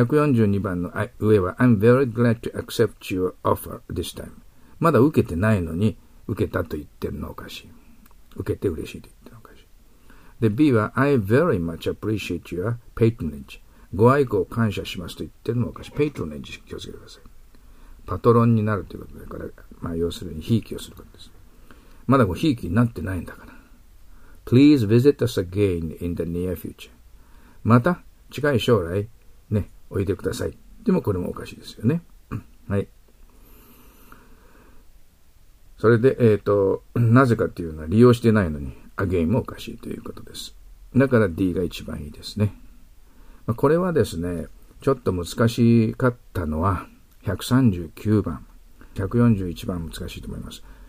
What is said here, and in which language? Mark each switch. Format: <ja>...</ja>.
<en>142番の上は I'm very glad to accept your offer this time。</en> <ja>まだ受けてないのに受けたと言ってるのおかしい、受けて嬉しいと言ってるのおかしい。で B は I very much appreciate your patronage、ご愛顧を感謝しますと言ってるのおかしい。 patronage 気をつけてください。パトロンになるということだから、まあ、要するに、ひいきをすることです。まだごひいきになってないんだから。</ja> <en>Please visit us again in the near future.</en> <ja>また、近い将来、ね、おいでください。でも、これもおかしいですよね。はい。それで、なぜかというのは、利用してないのに、again もおかしいということです。だから、D が一番いいですね。まあ、これはですね、ちょっと難しかったのは、139番、141番難しいと思います。</ja>